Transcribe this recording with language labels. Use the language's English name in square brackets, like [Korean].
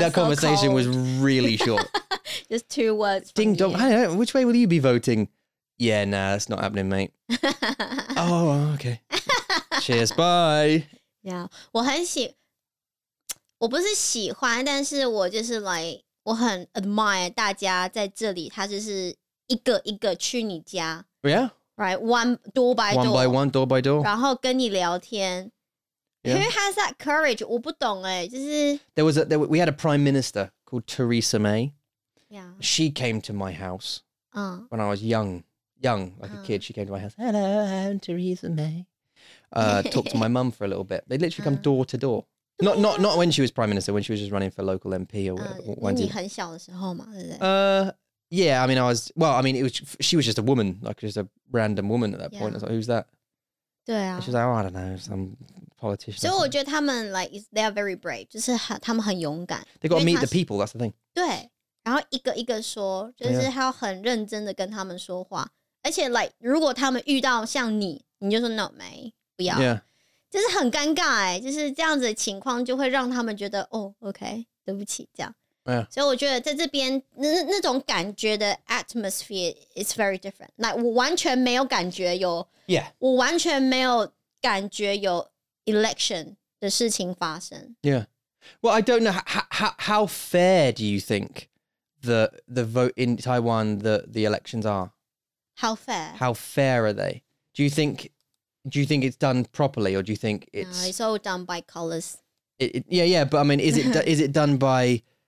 [English] That conversation was really short. Just two words. Ding dong. I don't know, which way will you be voting? Yeah, nah, that's not happening, mate. oh, okay. Cheers, bye. [Chinese] Yeah, 我很喜，我不是喜欢，但是我就是 like 我很 admire 大家在这里，他就是一个一个去你家。 [English] Yeah. Right, one door by door. [Chinese] 然后跟你聊天。 [English] Yeah. Who has that courage? [Chinese] 我不懂哎，就是 [English] we had a prime minister called Theresa May. Yeah. She came to my house. When I was young. Like a kid, she came to my house. Hello, I'm Theresa May. talked to my mum for a little bit. They literally come door to door. Not when she was Prime Minister, when she was just running for local MP or whatever. [Chinese] 你很小的时候嘛，对不对？ [English] Yeah, I mean, she was just a woman, like just a random woman at that point. I was like, who's that? [Chinese] 对啊。 [English] She's like, oh, I don't know, some politician. [Chinese] 所以我觉得他们 like, [English] they are very brave, [Chinese] 就是他们很勇敢。 [English] They got to meet the people, that's the thing. [Chinese] 对。然后一个一个说，就是他要很认真的跟他们说话。而且 like, 如果他们遇到像你你就说 [English] no, mate, [Chinese] 不要。 [English] Yeah. [Chinese] 就是很尴尬耶、欸、就是这样子的情况就会让他们觉得哦、oh, ,OK, 对不起这样。 [English] Yeah. [Chinese] 所以我觉得在这边 那种感觉的 [English] atmosphere is very different. [Chinese] Like, 我完全没有感觉有 [English] Yeah. [Chinese] 我完全没有感觉有 election 的事情发生。 [English] Yeah. Well, I don't know, how fair do you think the vote in Taiwan, the elections are? How fair are they? Do you think it's done properly, or do you think it's... No, it's all done by colours. But I mean, is it done by...